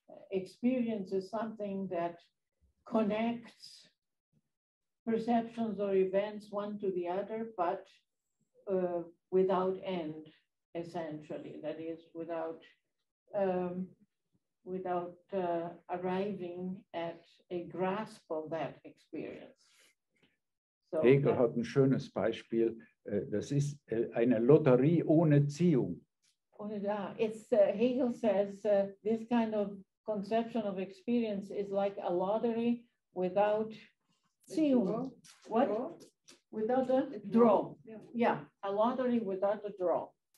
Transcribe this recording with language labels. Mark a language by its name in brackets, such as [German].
[English] Experience is something that connects perceptions or events one to the other, but without end, essentially. That is, without arriving at a grasp of that experience. [German] So Hegel hat ein schönes Beispiel. Das ist eine Lotterie ohne Ziehung. [English] Und, it's Hegel says this kind of conception of experience is like a lottery without Ziehung. What? Without a draw. Yeah, a lottery without a draw.